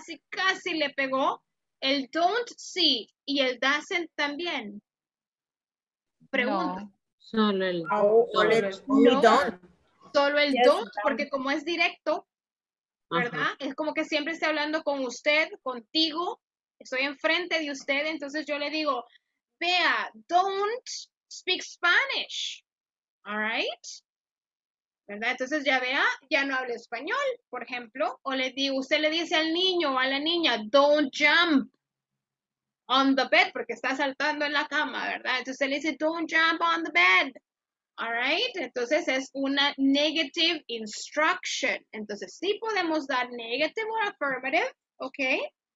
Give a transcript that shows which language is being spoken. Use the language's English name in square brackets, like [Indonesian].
[Spanish] Casi le pegó. El [English] don't, [Spanish] sí. ¿Y el [English] doesn't [Spanish] también? Pregunta. No, solo el [English] don't. [Spanish] Solo el [English] don't, [Spanish] porque como es directo, ¿verdad? Uh-huh. Es como que siempre estoy hablando con usted, contigo. Estoy enfrente de usted. Entonces yo le digo, Bea, [English] don't speak Spanish. All right? ¿Verdad? [Spanish] Entonces ya vea, ya no habla español, por ejemplo. O le digo, usted le dice al niño o a la niña, [English] don't jump on the bed, [Spanish] porque está saltando en la cama, ¿verdad? Entonces usted le dice, [English] don't jump on the bed. All right? [Spanish] Entonces es una [English] negative instruction. [Spanish] Entonces sí podemos dar [English] negative or affirmative, [Spanish] ¿ok?